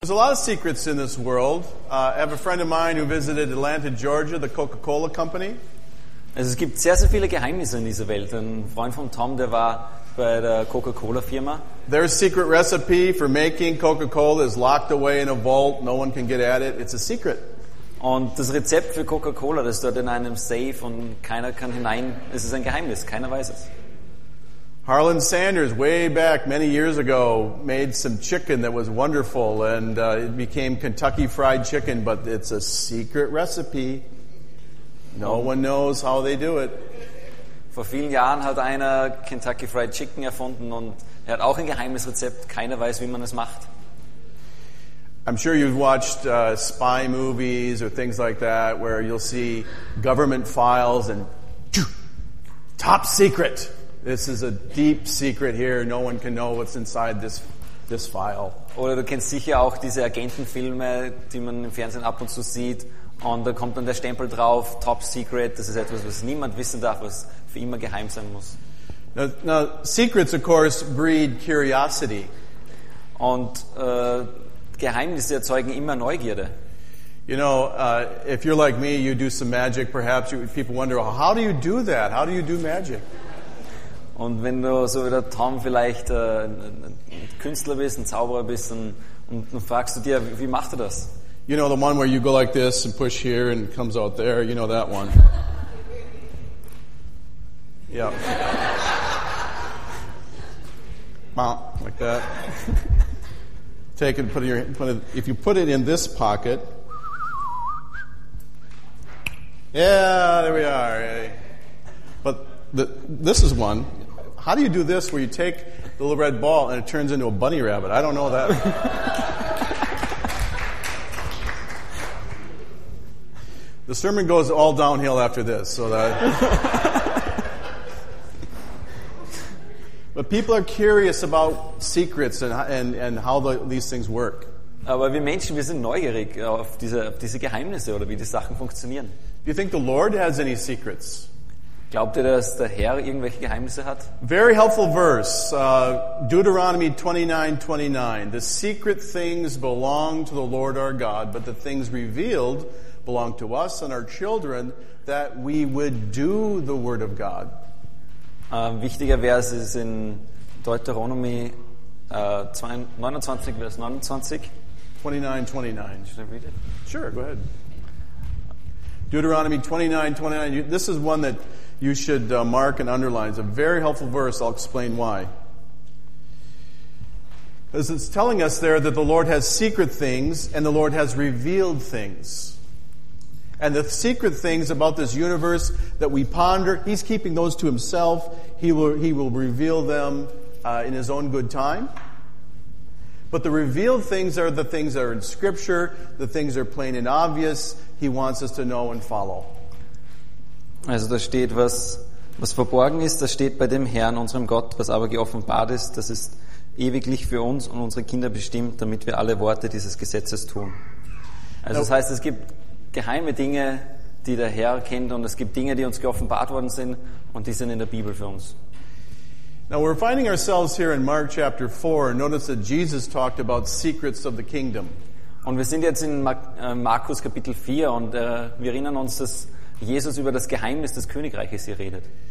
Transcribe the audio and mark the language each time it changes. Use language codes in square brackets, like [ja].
[en] There's a lot of secrets in this world. I have a friend of mine who visited Atlanta, Georgia, the Coca-Cola company. [de] Also, es gibt sehr, sehr viele Geheimnisse in dieser Welt. Ein Freund von Tom, der war bei der Coca-Cola-Firma. [en] Their secret recipe for making Coca-Cola is locked away in a vault. No one can get at it. It's a secret. [de] Und das Rezept für Coca-Cola, das ist dort in einem Safe und keiner kann hinein. Es ist ein Geheimnis. Keiner weiß es. [en] Harlan Sanders, way back many years ago, made some chicken that was wonderful, and it became Kentucky Fried Chicken, but it's a secret recipe. No one knows how they do it. [de] Vor vielen Jahren hat einer Kentucky Fried Chicken erfunden, und er hat auch ein geheimes Rezept. Keiner weiß, wie man es macht. [en] I'm sure you've watched spy movies or things like that, where you'll see government files and top secret. This is a deep secret here. No one can know what's inside this file. [de] Oder du kennst sicher auch diese Agentenfilme, die man im Fernsehen ab und zu sieht. Und da kommt dann der Stempel drauf, top secret. Das ist etwas, was niemand wissen darf, was für immer geheim sein muss. [en] Now, secrets, of course, breed curiosity. [de] Und Geheimnisse erzeugen immer Neugierde. [en] You know, if you're like me, you do some magic, perhaps. People wonder, how do you do that? How do you do magic? [de] Und wenn du so wie der Tom vielleicht ein Künstler bist, ein Zauberer bist, und dann fragst du dir, wie macht er das? [en] You know, the one where you go like this and push here and it comes out there, you know that one. Yeah. Mount, like that. Take it and put it, if you put it in this pocket. Yeah, there we are. But this is one. How do you do this where you take the little red ball and it turns into a bunny rabbit? I don't know that. The sermon goes all downhill after this. So that. But people are curious about secrets and how these things work. [de] Aber wir Menschen, wir sind neugierig auf diese Geheimnisse oder wie die Sachen funktionieren. [en] Do you think the Lord has any secrets? [de] Glaubt ihr, dass der Herr irgendwelche Geheimnisse hat? [en] Very helpful verse, Deuteronomy 29:29. The secret things belong to the Lord our God, but the things revealed belong to us and our children, that we would do the word of God. [de] Wichtiger Vers ist in Deuteronomy 29, Vers 29. [en] 29:29. Should I read it? Sure, go ahead. Deuteronomy 29:29. This is one that you should mark and underline. It's a very helpful verse. I'll explain why. Because it's telling us there that the Lord has secret things and the Lord has revealed things. And the secret things about this universe that we ponder, he's keeping those to himself. He will reveal them in his own good time. But the revealed things are the things that are in Scripture. The things that are plain and obvious. He wants us to know and follow. [de] Also da steht, was verborgen ist, das steht bei dem Herrn, unserem Gott, was aber geoffenbart ist, das ist ewiglich für uns und unsere Kinder bestimmt, damit wir alle Worte dieses Gesetzes tun. Also das heißt, es gibt geheime Dinge, die der Herr kennt, und es gibt Dinge, die uns geoffenbart worden sind, und die sind in der Bibel für uns. [en] Now we're finding ourselves here in Mark chapter 4. Notice that Jesus talked about secrets of the kingdom. [de] Und wir sind jetzt in Markus Kapitel 4, und wir erinnern uns, dass Jesus über das Geheimnis des Königreiches hier redet.